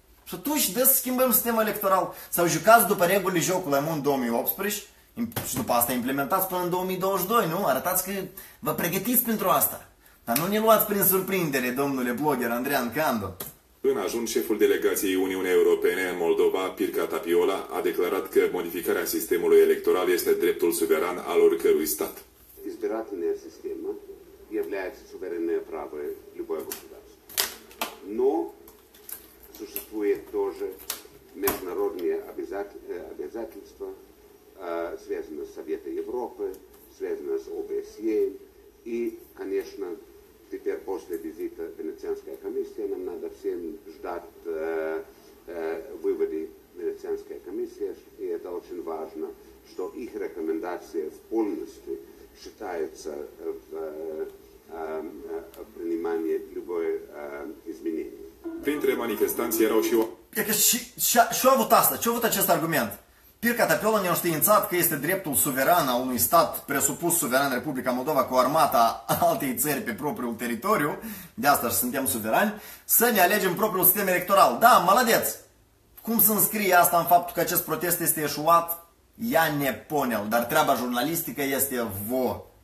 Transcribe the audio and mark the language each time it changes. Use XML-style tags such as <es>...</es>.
<ro>Și atunci des schimbăm sistemul electoral sau jucați după regulile jocului în 2018 și după asta implementați până în 2022, nu? Arătați că vă pregătiți pentru asta. Dar nu ne luați prin surprindere, domnule blogger Andrean Candu. În ajuns, șeful delegației Uniunii Europene în Moldova, Pirca Tapiola, a declarat că modificarea sistemului electoral este dreptul suveran al oricărui stat.</ro> <ru>Избирательная система является суверенное право любого государства. Но существует тоже международные обязательства, связанные с Советом Европы, связанные с ОБСЕ и, конечно, теперь после визита Венецианской комиссии нам надо всем ждать выводы Венецианской комиссии. И это очень важно, что их рекомендации полностью считаются в принимании любой изменений.</ru> <ro>Принтере манифестанции я рауши</ro> <ru>его. Что вот это? Что вот этот аргумент?</ru> <ro>Pirca Tapiola ne-a științat că este dreptul suveran al unui stat presupus suveran Republica Moldova cu armata altei țări pe propriul teritoriu, de asta și suntem suverani, să ne alegem propriul sistem electoral. Da, maladeț! Cum să-mi scrie asta în faptul că acest protest este eșuat?</ro> <ru>Ia neponel,</ru> <ro>dar treaba jurnalistică este vo.</ro>